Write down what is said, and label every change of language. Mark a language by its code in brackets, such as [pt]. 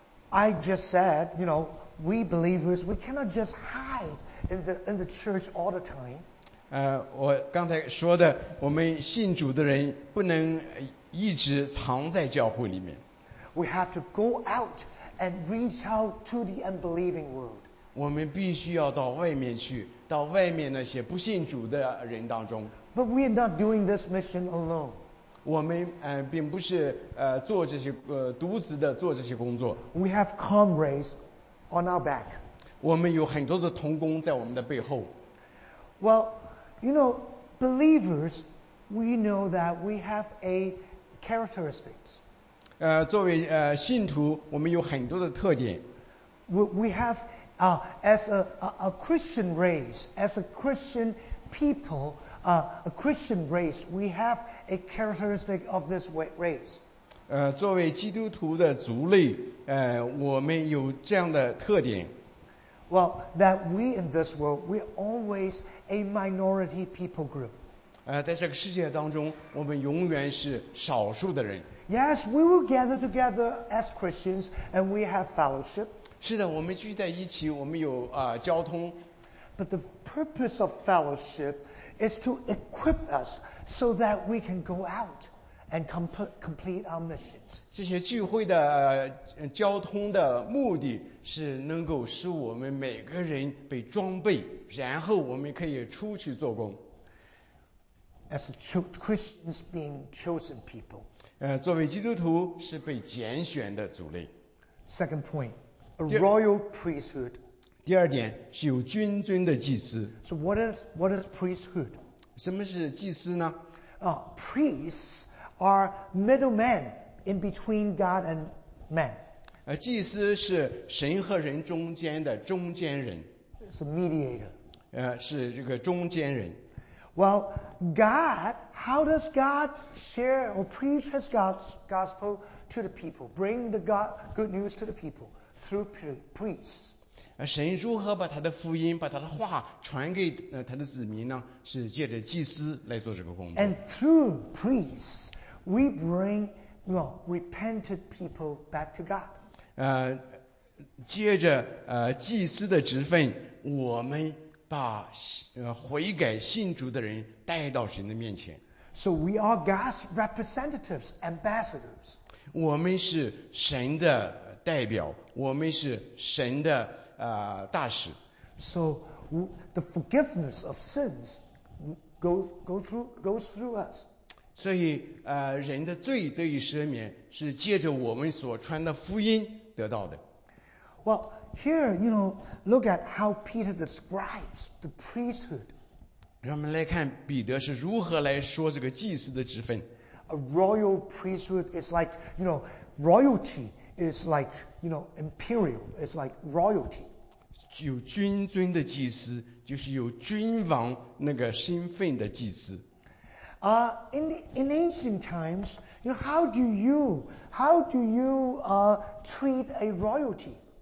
[en] I just said, you know, we believers, we cannot just hide in the church all the time. [zh] 我刚才说的，我们信主的人不能一直藏在教会里面。 [en] We have to go out and reach out to the unbelieving world. [zh] 我们必须要到外面去，到外面那些不信主的人当中。 [en] But we are not doing this mission alone. [zh] 我们并不是做这些独自的做这些工作。 [en] We have comrades on our back. [zh] 我们有很多的同工在我们的背后。 [en] Well, you know, believers, we know that we have a characteristics. [zh] 作为信徒，我们有很多的特点。 [en] We have, as a Christian race, as a Christian people, a Christian race, we have a characteristic of this race. [zh] 作为基督徒的族类，我们有这样的特点。 [en] Well, that we in this world, we're always a minority people group. [zh] 在这个世界当中，我们永远是少数的人。 [en] Yes, we will gather together as Christians, and we have fellowship. [zh] 是的，我们聚在一起，我们有交通。 [en] But the purpose of fellowship is to equip us so that we can go out and complete our missions. [zh] 这些聚会的交通的目的是能够使我们每个人被装备，然后我们可以出去做工。 [en] As Christians being chosen people. [zh] 作为基督徒是被拣选的族类。 [en] Second point, a royal priesthood. [zh] 第二点是有君尊的祭司。 [en] So what is priesthood? [zh] 什么是祭司呢？ [en] Priests are middlemen in between God and man. [zh] 祭司是神和人中间的中间人。 [en] It's a mediator. [zh] 是这个中间人。 [en] Well, God, how does God share or preach His gospel to the people? Bring the good news to the people through priests. [zh] 神如何把他的福音、把他的话传给他的子民呢？是借着祭司来做这个工作。 [en] And through priests, we bring repented people back to God. [zh] 借着祭司的职分，我们把悔改信主的人带到神的面前。 [en] So we are God's representatives, ambassadors. [zh] 我们是神的代表，我们是神的大使。 [en] So the forgiveness of sins goes through us. [zh] 所以人的罪得以赦免，是借着我们所传的福音得到的。 [en] Well, here, you know, look at how Peter describes the priesthood. [zh] 让我们来看彼得是如何来说这个祭司的职分。 [en] A royal priesthood is like, you know, royalty is like, you know, imperial, it's like royalty. [zh] 有君尊的祭司，就是有君王那个身份的祭司。 [en] In ancient times, you know, how do you treat a royalty?